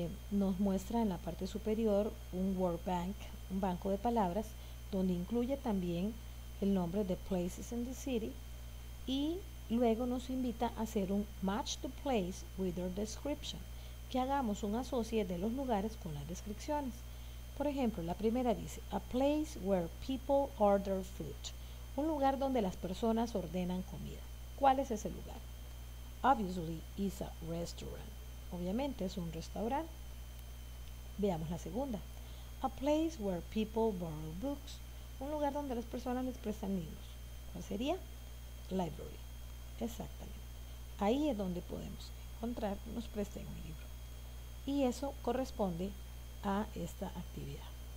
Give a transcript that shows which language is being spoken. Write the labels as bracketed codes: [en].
[es] Nos muestra en la parte superior un word bank, un banco de palabras, donde incluye también el nombre de [en] places in the city [es] y luego nos invita a hacer un [en] match the place with their description, [es] que hagamos un asocie de los lugares con las descripciones. Por ejemplo, la primera dice, [en] a place where people order food, [es] un lugar donde las personas ordenan comida. ¿Cuál es ese lugar? [en] Obviously, it's a restaurant. [es] Obviamente es un restaurante. Veamos la segunda. [en] A place where people borrow books. [es] Un lugar donde las personas les prestan libros. ¿Cuál sería? Library. Exactamente. Ahí es donde podemos encontrar que nos presten un libro. Y eso corresponde a esta actividad.